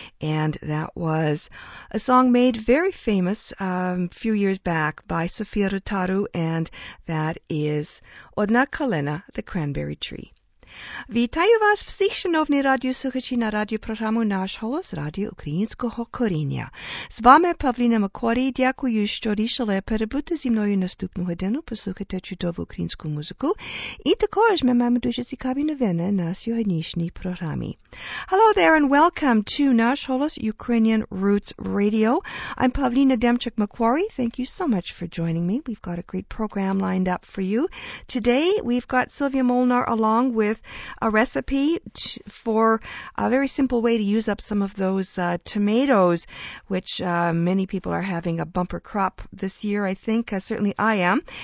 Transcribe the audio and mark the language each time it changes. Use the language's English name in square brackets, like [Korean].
[English] And that was a song made very famous a few years back by Sofia Rotaru, and that is Odna Kalena, The Cranberry Tree. [Ukrainian] Вітаю вас всіх, шановні радіослухачі, на радіопрограму «Наш голос» Радіо Українського коріння. З вами Павліна Макорі. Дякую, що рішили перебути зі мною наступну годину, послухати чудову українську музику. І також ми маємо дуже цікаві новини на сьогоднішній програмі. [English] Hello there and welcome to «Наш голос» Ukrainian Roots Radio. I'm Павліна Демчик-Макорі. Thank you so much for joining me. We've got a great program lined up for you. Today we've got Sylvia Molnar along with a recipe for a very simple way to use up some of those tomatoes, which many people are having a bumper crop this year, I think. Certainly I am.